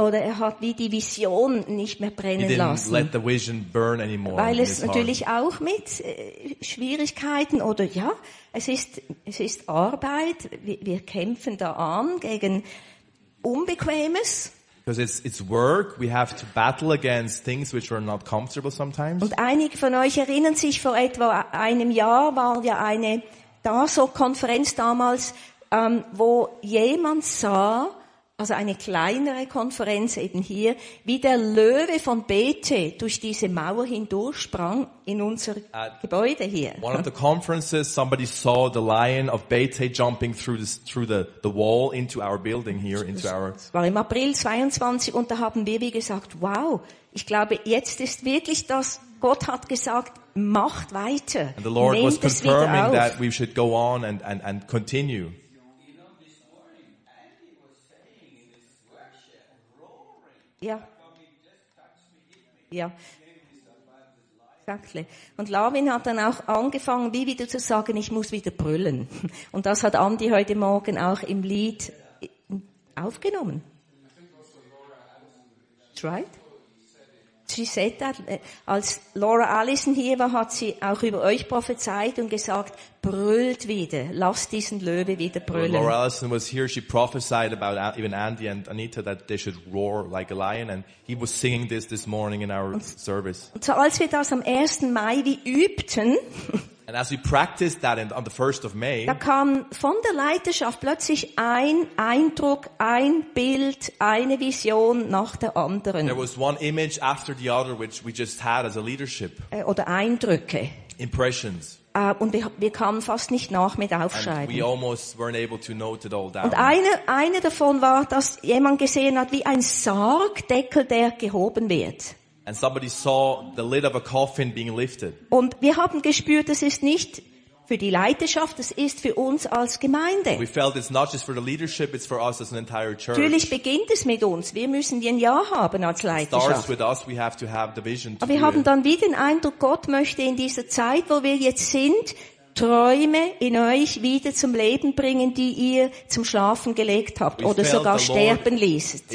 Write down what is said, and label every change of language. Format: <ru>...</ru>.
<de>Oder er hat wie die Vision nicht mehr brennen lassen.</de> <en>He didn't let the vision burn anymore.</en> <de>Weil es natürlich auch mit Schwierigkeiten oder ja, es ist Arbeit. Wir kämpfen da an gegen Unbequemes.</de> <en>Because it's work, we have to battle against things which are not comfortable sometimes.</en> <de>Und einige von euch erinnern sich, vor etwa einem Jahr war ja eine Daso-Konferenz damals, wo jemand sah, also eine kleinere Konferenz eben hier, wie der Löwe von Bethe durch diese Mauer hindurch sprang in unser Gebäude hier.</de> <en>One of the conferences, somebody saw the lion of Bethe jumping through the wall into our building here, into our.</en> <de>Das war im April 22 und da haben wir wie gesagt, wow, ich glaube, jetzt ist wirklich das, Gott hat gesagt, macht weiter.</de> <en>And the Lord was confirming that we should go on and continue.</en> <de>Ja. Ja.</de> <en>Exactly.</en> <de>Und Lawin hat dann auch angefangen, wie wieder zu sagen, ich muss wieder brüllen. Und das hat Andy heute Morgen auch im Lied aufgenommen.</de> <en>Right? She said that.</en> <de>Als Laura Allison hier war, hat sie auch über euch prophezeit und gesagt, brüllt wieder, lasst diesen Löwe wieder brüllen.</de> <en>When Laura Allison was here, she prophesied about even Andy and Anita that they should roar like a lion, and he was singing this morning in our service.</en> <de>Und so als wir das am 1. Mai wie übten,</de> <en>and as we practiced that on the 1st of May,</en> <de>da kam von der Leiterschaft plötzlich ein Eindruck, ein Bild, eine Vision nach der anderen.</de> <en>There was one image after the other, which we just had as a leadership.</en> <de>Oder Eindrücke.</de> <en>Impressions.</en> <de>Und wir kamen fast nicht nach mit Aufschreiben.</de> <en>And we almost weren't able to note it all down.</en> <de>Und eine davon war, dass jemand gesehen hat, wie ein Sargdeckel, der gehoben wird.</de> <en>And somebody saw the lid of a coffin being lifted.</en> <de>Und wir haben gespürt, das ist nicht für die Leiterschaft, das ist für uns als Gemeinde.</de> <en>We felt it's not just for the leadership, it's for us as an entire church.</en> <de>Natürlich beginnt es mit uns. Wir müssen ein Ja haben als Leiterschaft.</de> <en>It starts with us, we have to have the vision to do it.</en> <de>Aber wir haben dann wie den Eindruck, Gott möchte in dieser Zeit, wo wir jetzt sind, Träume in euch wieder zum Leben bringen, die ihr zum Schlafen gelegt habt oder sogar sterben ließet.</de>